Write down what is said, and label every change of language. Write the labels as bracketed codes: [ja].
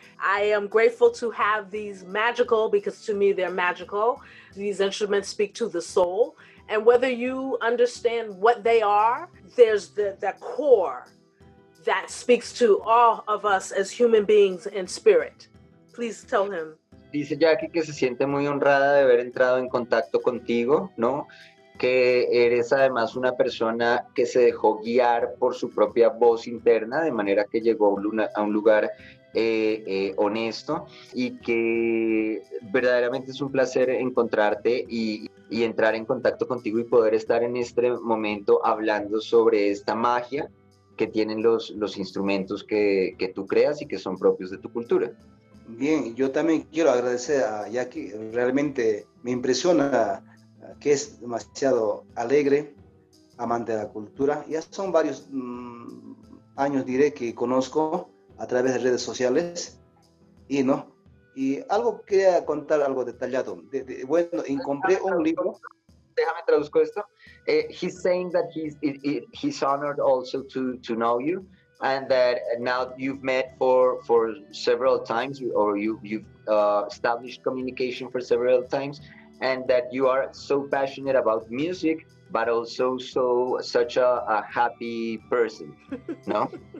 [en] I am grateful to have these magical, because to me they're magical, these instruments speak to the soul. And whether you understand what they are, there's the core that speaks to all of us as human beings in spirit. Please tell him. [es] Dice Jackie que se siente muy honrada de haber entrado en contacto contigo, ¿no? Que eres además una persona que se dejó guiar por su propia voz interna, de manera que llegó a un lugar honesto, y que verdaderamente es un placer encontrarte y entrar en contacto contigo y poder estar en este momento hablando sobre esta magia que tienen los instrumentos que tú creas y que son propios de tu cultura. Bien, yo también quiero agradecer a Jackie, realmente me impresiona que es demasiado alegre, amante de la cultura. Ya son varios años, diré, que conozco a través de redes sociales. Y no, y algo quería contar, algo detallado. Bueno, compré un libro. Déjame traduzco esto. [en] He's saying that he's honored also to know you, and that now you've met for several times, or you've established communication for several times, and that you are so passionate about music, but also so such a happy person, no?